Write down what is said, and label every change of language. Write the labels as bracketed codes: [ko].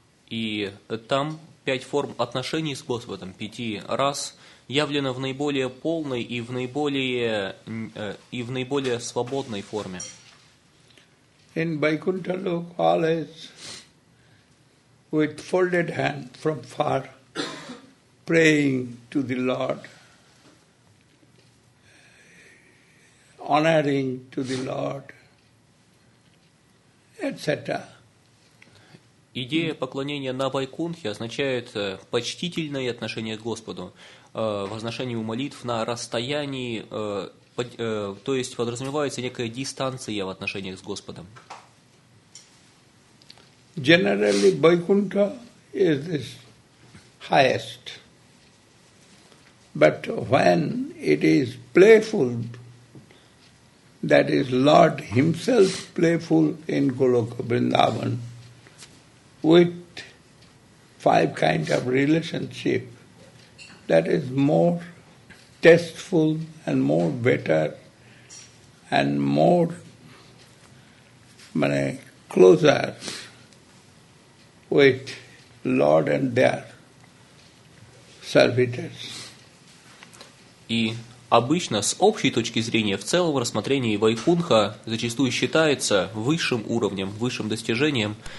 [ru] И там пять форм отношений с Господом, пяти раз явлено в наиболее полной и в наиболее свободной форме. [en] In Vaikuntha Loka, all is with folded hand from far, praying to the Lord, honoring to the Lord, etc. [ru] Идея поклонения на Вайкунхе означает почтительное отношение к Господу, возношение молитв на расстоянии, то есть подразумевается некая дистанция в отношениях с Господом. [en] Generally, Vaikuntha is the highest. But when it is playful, that is Lord himself playful in Goloka Vrindavan, with five kind of relationship, that is more tasteful and more better and more closer with Lord and their servitors. [ru] И обычно с общей точки зрения в целом рассмотрении Вайкунха зачастую считается высшим уровнем, высшим достижением.